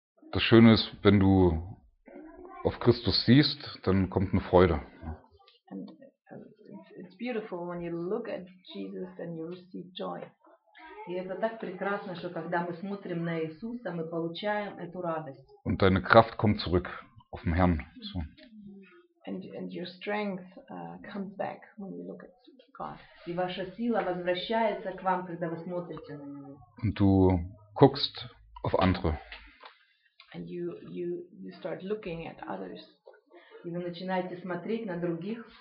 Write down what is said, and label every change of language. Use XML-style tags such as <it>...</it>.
<de>Das Schöne ist, wenn du auf Christus siehst, dann kommt eine Freude.</de> <en>And, it's beautiful when you look at Jesus and you receive joy.</en> <ru>И это так прекрасно, что когда мы смотрим на Иисуса, мы получаем эту радость.</ru> <de>Und deine Kraft kommt zurück auf den Herrn. So.</de> <en>And your strength comes back when you look at God.</en> <ru>И ваша сила возвращается к вам, когда вы смотрите на него.</ru> <de>Und du guckst auf andere.</de> <en>And you start looking at others.</en> <ru>И вы начинаете смотреть на других.</ru>